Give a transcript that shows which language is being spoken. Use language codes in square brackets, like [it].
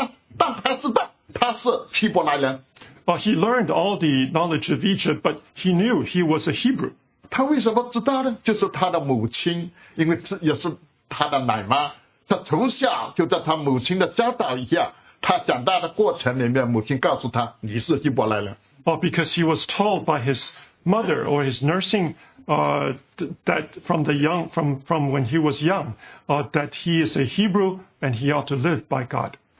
[zh] 他虽然学了埃及许多的学问，但他知道他是希伯来人。 [en] He learned all the knowledge of Egypt, but he knew he was a Hebrew. [zh] 他为什么知道呢？就是他的母亲，因为也是他的奶妈，他从小就在他母亲的教导一下。他长大的过程里面，母亲告诉他，你是希伯来人。 [en] Because he was told by his mother or his nursing, that from the young, from when he was young, that he is a Hebrew and he ought to live by God.